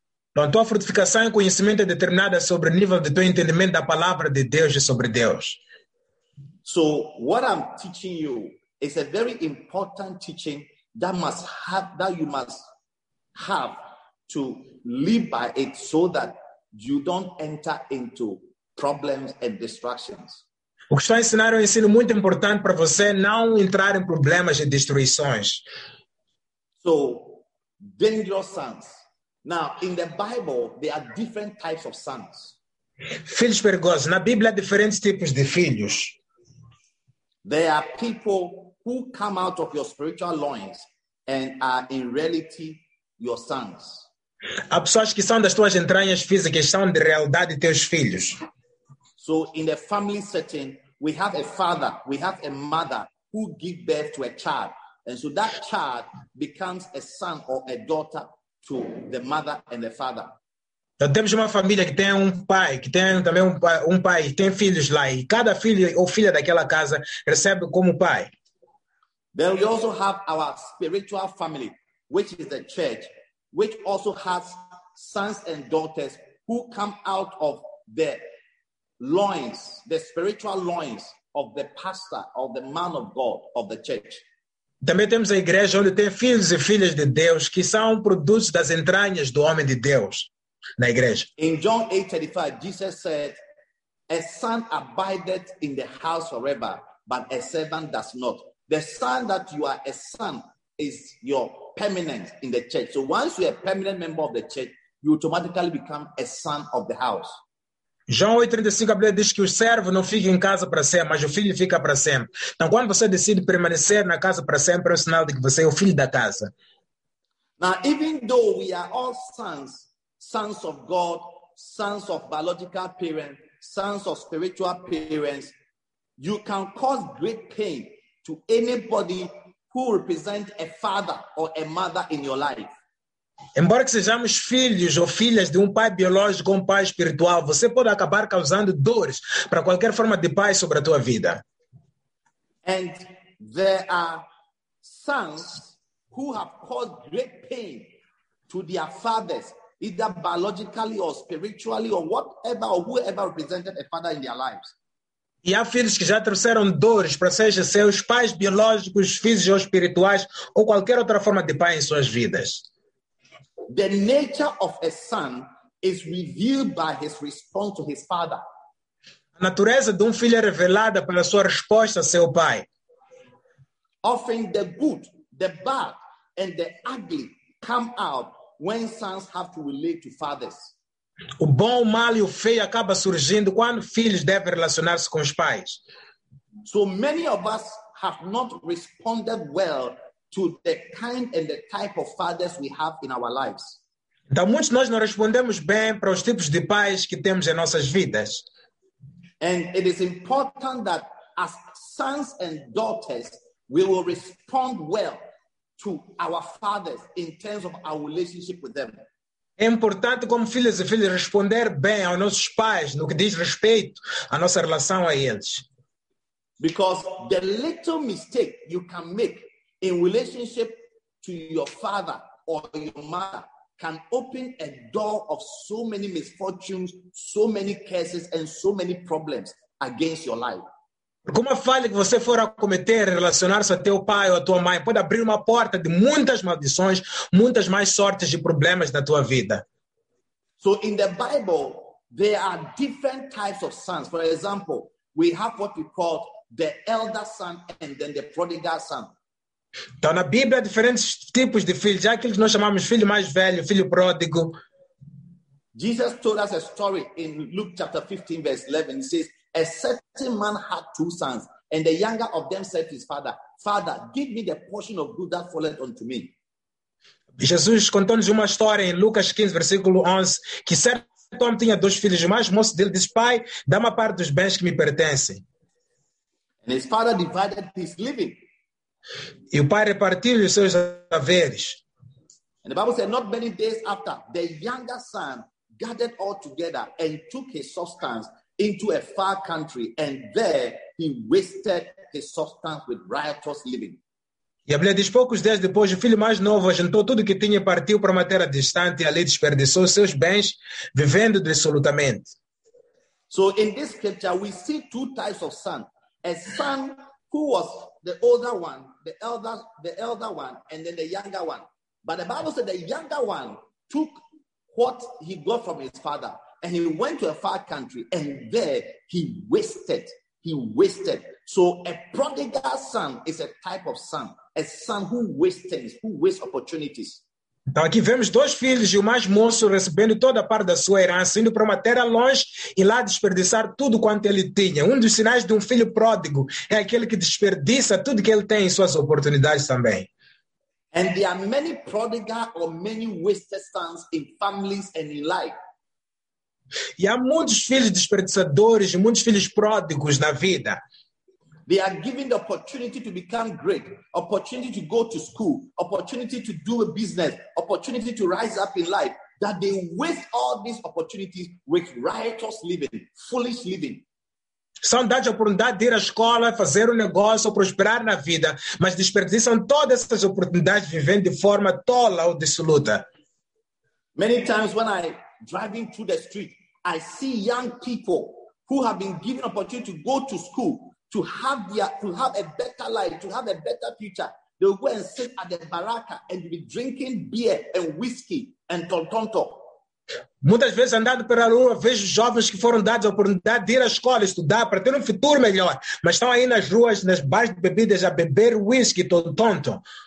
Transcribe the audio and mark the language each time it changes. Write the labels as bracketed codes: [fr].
[pt] Então, a tua frutificação e conhecimento é determinada sobre o nível do teu entendimento da palavra de Deus e sobre Deus. [en] So what I'm teaching you is a very important teaching that must have, that you must have to live by it so that you don't enter into problems and distractions. [pt] O que estou a ensinar é um ensino muito importante para você não entrar em problemas e destruições. [en] So, dangerous sons. Now, in the Bible, there are different types of sons. [pt] Filhos perigosos. Na Bíblia há diferentes tipos de filhos. [en] There are people who come out of your spiritual loins and are in reality your sons. [pt] Há pessoas que são das tuas entranhas físicas, são de realidade teus filhos. [en] So in the family setting, we have a father, we have a mother who give birth to a child. And so that child becomes a son or a daughter to the mother and the father. [pt] Então temos uma família que tem um pai, que tem também um pai, tem filhos lá. E cada filho ou filha daquela casa recebe como pai. [en] Then we also have our spiritual family, which is the church, which also has sons and daughters who come out of the loins, the spiritual loins of the pastor, of the man of God, of the church. [pt] Também temos a igreja onde tem filhos e filhas de Deus que são produtos das entranhas do homem de Deus na igreja. [en] In John 8:35, Jesus said, "A son abideth in the house forever, but a servant does not." The son that you are a son is your permanent in the church. So once you are a permanent member of the church, you automatically become a son of the house. [pt] João 8:35, a Bíblia diz que o servo não fica em casa para sempre, mas o filho fica para sempre. Então quando você decide permanecer na casa para sempre, é um sinal de que você é o filho da casa. [en] Now, even though we are all sons, sons of God, sons of biological parents, sons of spiritual parents, You can cause great pain to anybody who represents a father or a mother in your life. [pt] Embora que sejamos filhos ou filhas de um pai biológico ou um pai espiritual, você pode acabar causando dores para qualquer forma de pai sobre a tua vida. [en] And there are sons who have caused great pain to their fathers, either biologically or spiritually or whatever or whoever represented a father in their lives. [pt] E há filhos que já trouxeram dores para seja seus pais biológicos, físicos ou espirituais ou qualquer outra forma de pai em suas vidas. [en] The nature of a son is revealed by his response to his father. [pt] A natureza de um filho é revelada pela sua resposta a seu pai. [en] Often the good, the bad, and the ugly come out when sons have to relate to fathers. [pt] O bom, o mal e o feio acaba surgindo quando filhos devem relacionar-se com os pais. [en] So many of us have not responded well to the kind and the type of fathers we have in our lives. [pt] Então, muitos nós não respondemos bem para os tipos de pais que temos em nossas vidas. [en] And it is important that as sons and daughters, we will respond well to our fathers in terms of our relationship with them. [pt] É importante como filhos e filhas responder bem aos nossos pais no que diz respeito à nossa relação a eles. [en] Because the little mistake you can make in relationship to your father or your mother can open a door of so many misfortunes, so many curses, and so many problems against your life. [pt] Porque uma falha que você for a cometer em relacionar-se a teu pai ou a tua mãe pode abrir uma porta de muitas maldições, muitas mais sortes de problemas na tua vida. [en] So in the Bible, there are different types of sons. For example, we have what we call the elder son and then the prodigal son. [pt] Então, na Bíblia, há diferentes tipos de filhos. Há aqueles que nós chamamos filho mais velho, filho pródigo. [en] Jesus told us a story in Luke chapter 15, verse 11. He says, a certain man had two sons, and the younger of them said to his father, Father, give me the portion of good that falleth unto me. [pt] Jesus contou-nos uma história em Lucas 15, versículo 11, que certo homem tinha dois filhos, o mais moço dele disse, Pai, dá-me a parte dos bens que me pertencem. [en] And his father divided his living. [pt] E o pai repartiu os seus haveres. [en] And the Bible said, not many days after, the younger son gathered all together and took his substance into a far country, and there he wasted his substance with riotous living. [pt] E a Bíblia diz, poucos dias depois, o filho mais novo ajuntou tudo que tinha e partiu para uma terra distante e ali desperdiçou os seus bens, vivendo dissolutamente. [en] So in this scripture, we see two types of son. A son who was the older one, the elder one, and then the younger one. But the Bible said the younger one took what he got from his father, and he went to a far country, and there he wasted. So a prodigal son is a type of son, a son who wastes opportunities. [pt] Então aqui vemos dois filhos e o mais moço recebendo toda a parte da sua herança, indo para uma terra longe e lá desperdiçar tudo quanto ele tinha. Um dos sinais de um filho pródigo é aquele que desperdiça tudo que ele tem em suas oportunidades também. [en] And there are many prodigal or many wasted sons in families and in life. [pt] E há muitos filhos desperdiçadores e muitos filhos pródigos na vida. [en] They are given the opportunity to become great, opportunity to go to school, opportunity to do a business, opportunity to rise up in life, that they waste all these opportunities with riotous living, foolish living. [pt] São dados a oportunidade de ir à escola, fazer um negócio, prosperar na vida, mas desperdiçam todas essas oportunidades vivendo de forma tola ou dissoluta. [en] Many times when I'm driving through the street, I see young people who have been given opportunity to go to school, to have a better life, to have a better future, they will go and sit at the baraka and be drinking beer and whiskey and tontonto. [pt] Muitas vezes andando pela rua vejo jovens que foram dados a oportunidade de ir à escola estudar para ter um futuro melhor, mas estão aí nas ruas, nas bares de bebidas a beber whiskey tontonto.